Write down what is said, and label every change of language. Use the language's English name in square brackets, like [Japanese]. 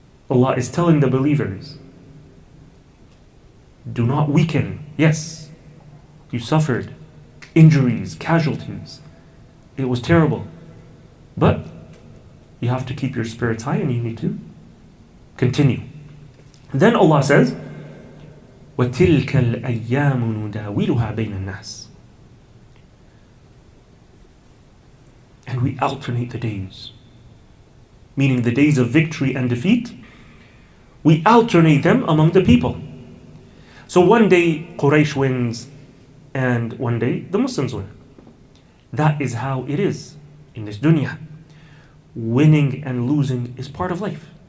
[English] Allah is telling the believers, do not weaken. Yes, you suffered injuries, casualties. It was terrible. But you have to keep your spirits high and you need to continue. Then Allah says, [Arabic] وَتِلْكَ الْأَيَّامُ نُدَاوِلُهَا بَيْنَ النَّاسِ. [English] And we alternate the days, meaning the days of victory and defeat, We alternate them among the people. So one day Quraysh wins, and one day the Muslims win. That is how it is in this dunya. Winning and losing is part of life.